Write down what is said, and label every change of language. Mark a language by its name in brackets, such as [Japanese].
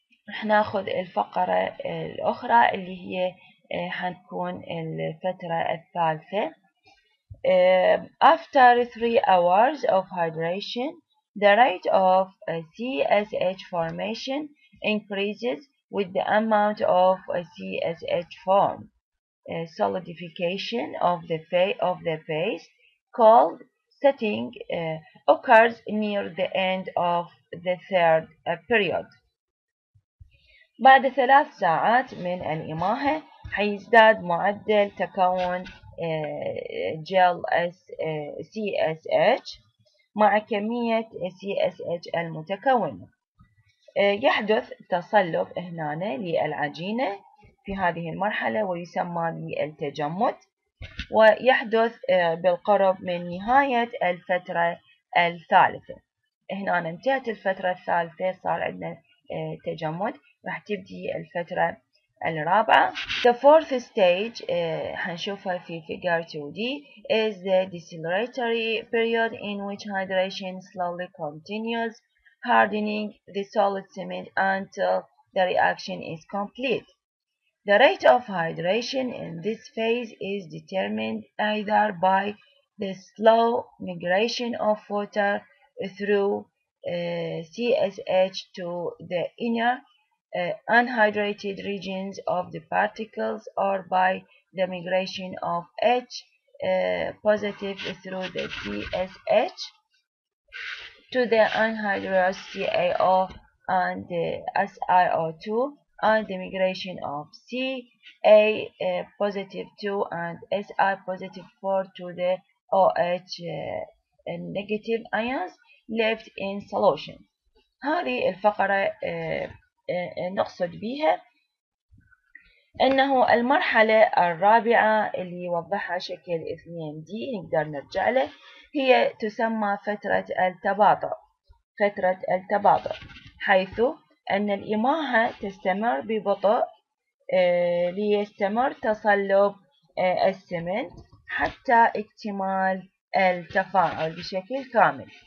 [Arabic] رح ناخذ الفقرة الأخرى اللي هي حتكون الفترة الثالثة [English] After 3 hours of hydration The rate of CSH formation increases with the amount of CSH form. Solidification of the paste called setting occurs near the end of the third period. [Arabic] بعد 3 ساعات من الإماهة حيزداد معدل تكون جل CSH مع كمية CSH المتكونة. يحدث تصلب هنا للعجينة في هذه المرحلة ويسمى بالتجمد، ويحدث بالقرب من نهاية الفترة الثالثة. هنا انتهت الفترة الثالثة، صار عندنا تجمد، راح تبدي الفترة الرابعة. [English] The fourth stage [Arabic] حنشوفها في [English] figure 2D is the deceleratory period in which hydration slowly continues hardening the solid cement until the reaction is complete. The rate of hydration in this phase is determined either by the slow migration of water through CSH to the inner unhydrated regions of the particles or by the migration of H positive through the CSH to the anhydrous CaO and the SiO2 and the migration of Ca positive 2 and Si positive 4 to the OH negative ions left in solution. [Arabic] هذه الفقرة نقصد بها انه المرحلة الرابعة اللي يوضحها شكل 2D نقدر نرجع له، هي تسمى فترة التباطؤ. فترة التباطؤ حيث ان الإماهة تستمر ببطء ليستمر تصلب السمنت حتى اكتمال التفاعل بشكل كامل.